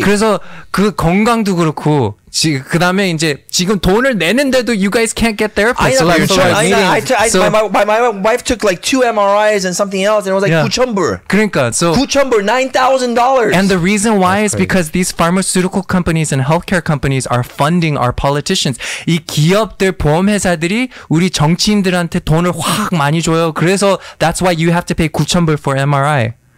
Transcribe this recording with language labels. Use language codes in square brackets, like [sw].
[ko] 그래서 그 건강도 그렇고 지금 그다음에 이제 지금 돈을 내는데도 [en] you guys can't get therapy. So I know. My wife took like two MRIs and something else and it was like 9,000불. [ko] 그러니까 so 9,000불 $9,000. [en] And the reason why is because these pharmaceutical companies and healthcare companies are funding our politicians. [ko] 이 기업들 보험 회사들이 우리 정치인들한테 돈을 확 많이 줘요. [en] 그래서 that's why you have to pay 9,000불 for MRI.